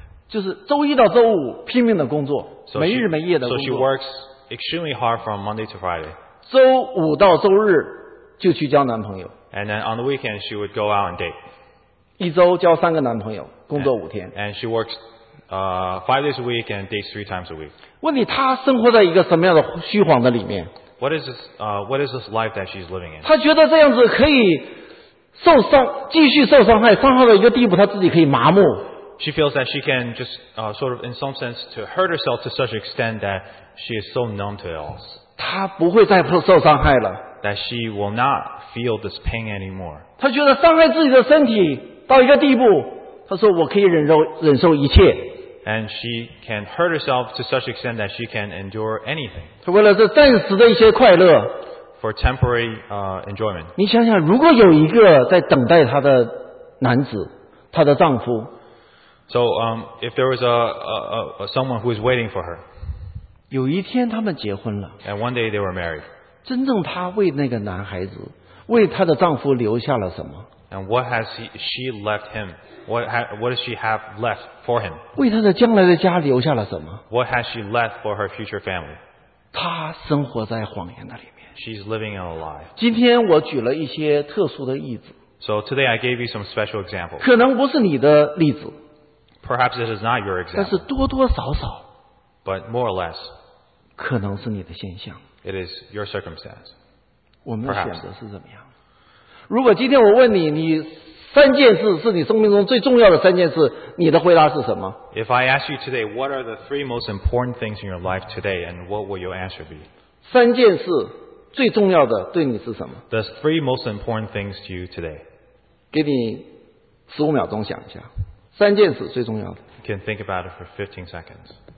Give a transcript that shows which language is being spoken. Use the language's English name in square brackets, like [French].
[Chinese] 就是周一到周五拼命的工作。 [English] So、 [Chinese] 没日没夜的工作。 [English] So she works extremely hard from Monday to Friday. [Chinese] 周五到周日就去交男朋友。 [English] And then on the weekend, she would go out and date. [Chinese] 一周交三个男朋友工作五天。 [English] And she works five days a week and dates three times a week. [Chinese] 问你她生活在一个什么样的虚晃的里面 [English] What is this life that she's living in? [Chinese] 她觉得这样子可以受伤继续受伤害伤害到一个地步她自己可以麻木 [English] She feels that she can just sort of in some sense to hurt herself to such extent that she is so numb to it all. [Chinese] 她不会再受伤害了 [English] That she will not feel this pain anymore. [Chinese] 她觉得伤害自己的身体到一个地步她说我可以忍受一切 [English] And she can hurt herself to such extent that she can endure anything. [Chinese] 为了这暂时的一些快乐 [English] For temporary enjoyment. [Chinese] 你想想如果有一个在等待她的男子她的丈夫 [English] So if there was a someone who is waiting for her. [Chinese] 有一天他们结婚了 [English] And one day they were married. [Chinese] 真正她为那个男孩子为她的丈夫留下了什么 [English] And what has she left him? What does she have left for him? [Chinese] 为他的将来的家留下了什么？ [English] What has she left for her future family? [Chinese] 他生活在谎言的里面。 [English] She's living in a lie. [Chinese] 今天我举了一些特殊的例子。 [English] So today I gave you some special examples. [Chinese] 可能不是你的例子。 [English] Perhaps it is not your example. [Chinese] 但是多多少少。 [English] But more or less. [Chinese] 可能是你的现象。 [English] It is your circumstance. [Chinese] 我们的选择是怎么样？如果今天我问你，你三件事是你生命中最重要的三件事，你的回答是什么？ [English] If I ask you today, what are the three most important things in your life today, and what will your answer be? [Chinese] 三件事最重要的对你是什么？ [English] The three most important things to you today. [Chinese] 给你十五秒钟想一下，三件事最重要的。 [English] You can think about it for 15 seconds.